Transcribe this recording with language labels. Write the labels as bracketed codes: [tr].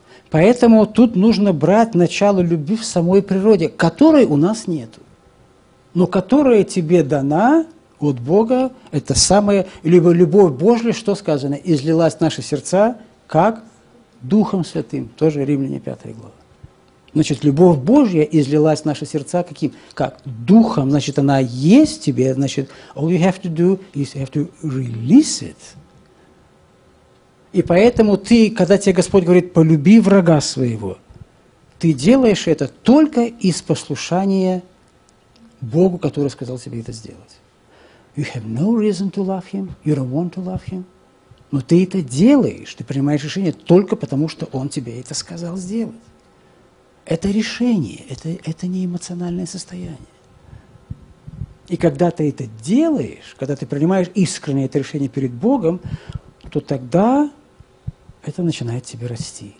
[ru] Поэтому тут нужно брать начало любви в самой природе, которой у нас нету, но которая тебе дана от Бога, это самое, либо любовь Божья, что сказано, излилась в наши сердца, как Духом Святым. Тоже Римляне 5 глава. Значит, любовь Божья излилась в наши сердца каким? Как Духом. Значит, она есть в тебе. Значит, [en] all you have to do is have to release it. [ru] И поэтому ты, когда тебе Господь говорит, полюби врага своего, ты делаешь это только из послушания Богу, который сказал тебе это сделать. [en] You have no reason to love him, you don't want to love him. [ru] Но ты это делаешь, ты принимаешь решение только потому, что он тебе это сказал сделать. Это решение, это не эмоциональное состояние. И когда ты это делаешь, когда ты принимаешь искренне это решение перед Богом, то тогда это начинает тебе расти.